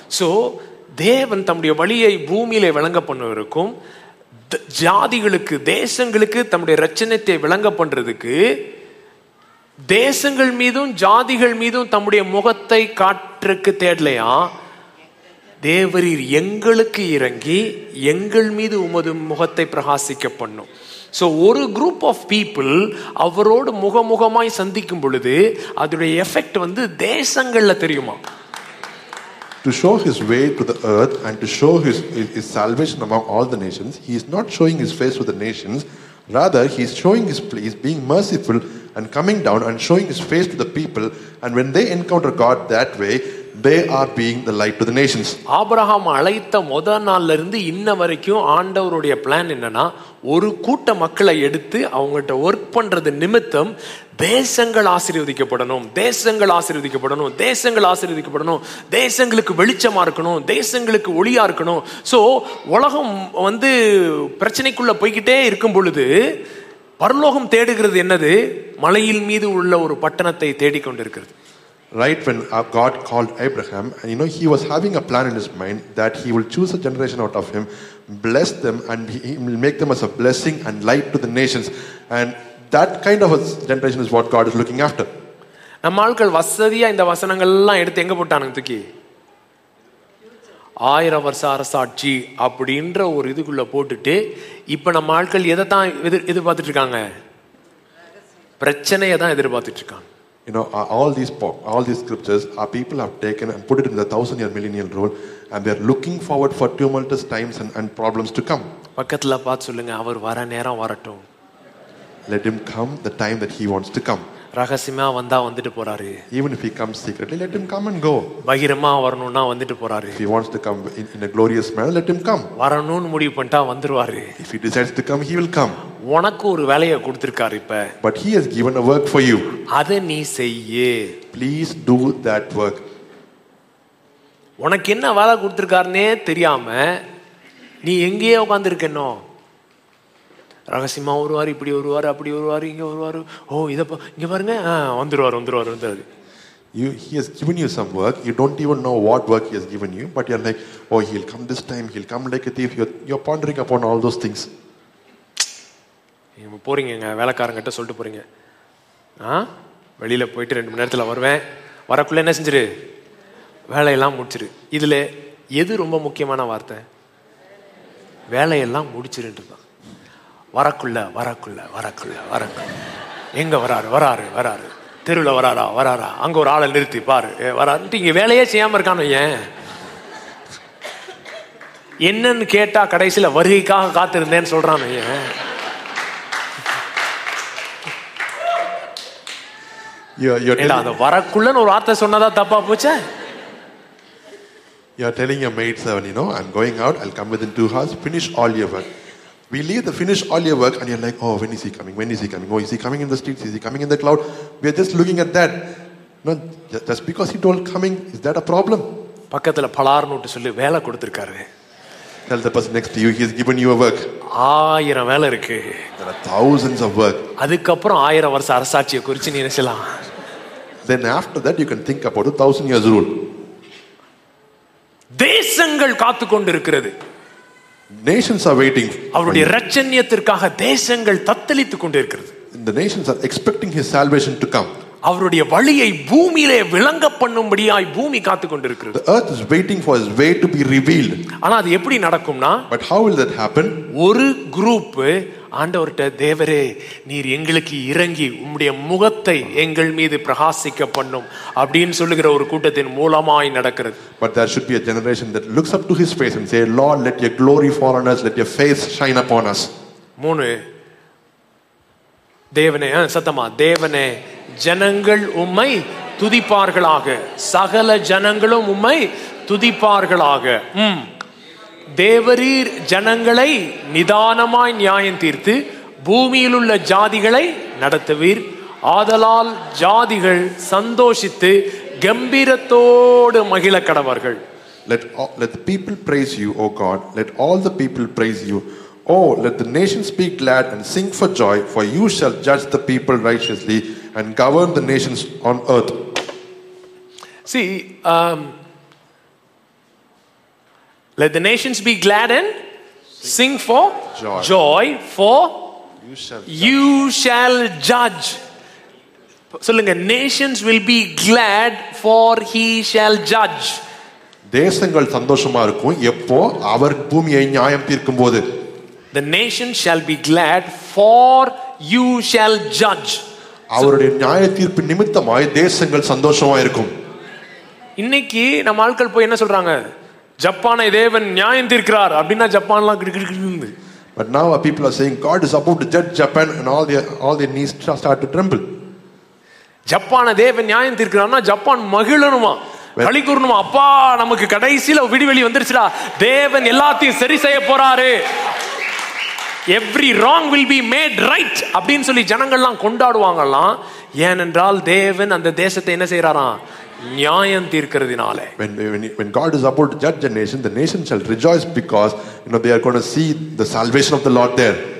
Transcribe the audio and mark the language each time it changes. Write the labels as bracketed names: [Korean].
[Tamil] So தேவன் தம்முடைய வழியை பூமியிலே விளங்க பண்ணுவதற்கும் ஜாதிகளுக்கு தேசங்களுக்கு தம்முடைய இரட்சணத்தை விளங்க பண்றதுக்கு தேசங்கள் மீதும் ஜாதிகள் மீதும் தம்முடைய முகத்தை காட்டுறதுக்கு தேடலையா, தேவரீர் எங்களுக்கு இறங்கி எங்கள் மீது உமது முகத்தை பிரகாசிக்க பண்ணும். ஸோ ஒரு [English] group of people [Tamil] அவரோடு முகமுகமாய் சந்திக்கும் பொழுது அதோட எஃபெக்ட் வந்து தேசங்களில் தெரியுமா. [English] To show his way to the earth and to show his salvation among all the nations, he is not showing his face with the nations, rather he is showing his place, being merciful and coming down and showing his face to the people, and when they encounter God that way, they are being the light to the nations. [Tamil] Abraham alaitha modanal irundhu inna varaikkum aandavarudaiya plan enna na oru koota makkala eduthu avangalukku work pandrathu nimittam தேசங்கள் ஆசீர்வதிக்கப்படணும், தேசங்கள் ஆசீர்வதிக்கப்படணும், தேசங்கள் ஆசீர்வதிக்கப்படணும், தேசங்களுக்கு வெளிச்சமா இருக்கணும், தேசங்களுக்கு ஒளியா இருக்கணும். So உலகம் வந்து பிரச்சனைக்குள்ள போய்கிட்டே இருக்கும் பொழுது பரலோகம் தேடுகிறது என்னது, மலையில் மீது உள்ள ஒரு பட்டணத்தை தேடிக்கொண்டிருக்கிறது. [English] Right when God called Abraham, and you know, he was having a plan in his mind that he will choose a generation out of him, bless them, and he will make them as a blessing and light to the nations. And that kind of a generation is what God is looking after. [Tamil] நம்மால்கள் வசதியா இந்த வசனங்கள் எல்லாம் எடுத்து எங்க போட்டானு தூக்கி 1000 வருஷ அரசாட்சி அப்படிங்கற ஒரு இதுக்குள்ள போட்டுட்டு இப்ப நம்மால்கள் எதை தான் எதிர்பார்த்துட்டு இருக்காங்க, பிரச்சனையை தான் எதிர்பார்த்துட்டு இருக்காங்க. [English] You know, all these scriptures our people have taken and put it in the 1000 year millennial rule, and they are looking forward for tumultuous times and problems to come. [Tamil] பக்கத்துல பாத்து சொல்லுங்க, அவர் வர நேரம் வரட்டும். [English] Let him come the time that he wants to come. [Tamil] ரகசியமா வந்தா வந்துட்டு போறாரு. [English] Even if he comes secretly, let him come and go. [Tamil] பகிரமா வரணும்னா வந்துட்டு போறாரு. [English] If he wants to come in a glorious manner, let him come. [Tamil] வரணும்னு முடிவு பண்ணா வந்துருவாரு. [English] If he decides to come, he will come. [Tamil] உனக்கு ஒரு வேலையை கொடுத்திருக்காரு இப்ப. [English] But he has given a work for you. [Tamil] அதை நீ செய்யே. [English] Please do that work. [Tamil] உனக்கு என்ன வேலை கொடுத்திருக்காருனே தெரியாம நீ எங்கேயே உட்கார்ந்திருக்கனோ, ரகசியமா வருவார், இப்படி வருவார், அப்படி வருவார், இங்க வருவார், ஓ இத இங்க பாருங்க, வந்துருவார் வந்துருவார் வந்துருவாரு. [English] You, he has given you some work. You don't even know what work he has given you, but you're like, oh, he'll come this time, he'll come like a thief. You're pondering upon all those things. [Tamil] நீங்க போறீங்க வேலைக்காரங்கிட்ட சொல்லிட்டு போறீங்க, ஆ வெளியில போயிட்டு ரெண்டு மணி நேரத்துல வருவேன், வரக்குள்ள என்ன செஞ்சிரு, வேலையெல்லாம் முடிச்சிரு. இதுல எது ரொம்ப முக்கியமான வார்த்தை, வேலையெல்லாம் முடிச்சிருன்றதுதான். வரக்குள்ள வரக்குள்ள வரக்குள்ள வரக்குள்ள எங்க வராரு, வராரு வராரு, தெருவில் வராரா வராரா, அங்க ஒரு ஆளை நிறுத்தி பாரு வராருன்ட்டு இங்க வேலையே செய்யாம இருக்கானு. ஏன் என்னன்னு கேட்டா கடைசியில வருகைக்காக காத்திருந்தேன்னு சொல்றானு. ஏன் ஏன்டா அந்த வரக்குள்ளன்னு ஒரு வார்த்தை சொன்னதா தப்பா போச்ச? [English] You are telling your maid servant, you know, I'm going out, I'll come within 2 hours, finish all your work. We leave the finish all your work and you're like, oh, when is he coming? When is he coming? Oh, is he coming in the streets? Is he coming in the cloud? We are just looking at that. No, just because he told coming, is that a problem? [Tamil] பக்கத்துல பலார்னுட்டு சொல்லி வேலை கொடுத்திருக்காரு. [English] Tell the person next to you, he has given you a work. [Tamil] 1000 வேலை இருக்கு. [English] There are thousands of work. [Tamil] அதுக்கு அப்புறம் 1000 வருஷ அரசாட்சிய குறிச்சு நீ நினைச்சலாம். [English] Then after that you can think about the 1000 years rule. [Tamil] தேசங்கள் காத்து கொண்டிருக்கிறது. [English] Nations are waiting. [Tamil] அவருடைய இரட்சணியத்திற்காக தேசங்கள் தத்தளித்துக் கொண்டிருக்கிறது. [English] The nations are expecting his salvation to come. [Tamil] அவருடைய வழியை பூமியிலே விளங்க பண்ணும்படியாய் பூமி காத்து கொண்டிருக்கிறது. [English] The earth is waiting for his way to be revealed. [Tamil] ஆனா அது எப்படி நடக்கும்னா, [English] But how will that happen? [Tamil] ஒரு குரூப் ஆண்டவர்ட்ட, தேவரே நீர் எங்களுக்கு இறங்கி உம்முடைய முகத்தை எங்கள் மீது பிரகாசிக்க பண்ணும் அப்படின்னு சொல்லுகிற ஒரு கூட்டத்தின் மூலமாய் நடக்கிறது. [English] But there should be a generation that looks up to his face and say, Lord, let your glory fall on us, let your face shine upon us. [Tamil] மூணே தேவனே, சத்தமா தேவனே, ஜனங்கள் உம்மை துதிப்பார்களாக, சகல ஜனங்களும் உம்மை துதிப்பார்களாக. தேவரீர் ஜனங்களை நிதானமாய் நியாயம் தீர்த்து பூமியில் உள்ள ஜாதிகளை நடத்துவீர், ஆதலால் ஜாதிகள் சந்தோஷித்து கம்பீரத்தோடு மகிழ கடவர்கள். [English] Let the people praise you, O God. Let all the people praise you. Oh, let the nations be glad and sing for joy, for you shall judge the people righteously and govern the nations on earth. See, let the nations be glad and sing for joy, for you shall judge. [Tamil] சொல்லுங்க, [English] nations will be glad, for he shall judge. [Tamil] தேசங்கள் சந்தோஷமா இருக்கும், எப்போ அவர் பூமியை நியாயம் தீர்க்கும் போது. [English] The nations shall be glad, for you shall judge. [Tamil] அவருடைய நியாய தீர்ப்பு நிமித்தமாய் தேசங்கள் சந்தோஷமா இருக்கும். இன்னைக்கு நம்ம ஆட்கள் போய் என்ன சொல்றாங்க, ஜப்பானை தேவன் நியாயம் தீர்க்கிறார் அப்படின்னா ஜப்பான்லாம் கிடுகிடுகிடுன்னு. [English] But now our people are saying God is about to judge Japan and all their knees start to tremble. [Tamil] ஜப்பானை தேவன் நியாயம் தீர்க்கிறார்னா ஜப்பான் மகிழணுமா, களி கூறணுமா? அப்பா நமக்கு கடைசியில விடுவெளி வந்துருச்சுடா, தேவன் எல்லாத்தையும் சரி செய்ய போறாரு. [English] Every wrong will be made right [Tamil] அப்படினு சொல்லி ஜனங்கள் எல்லாம் கொண்டாடுவாங்கலாம். ஏனென்றால் தேவன் அந்த தேசத்தை என்ன செய்றாரா, நியாயம் தீர்க்கிறதுனாலே. [English] When God is about to judge a nation, the nation shall rejoice because you know they are going to see the salvation of the Lord there.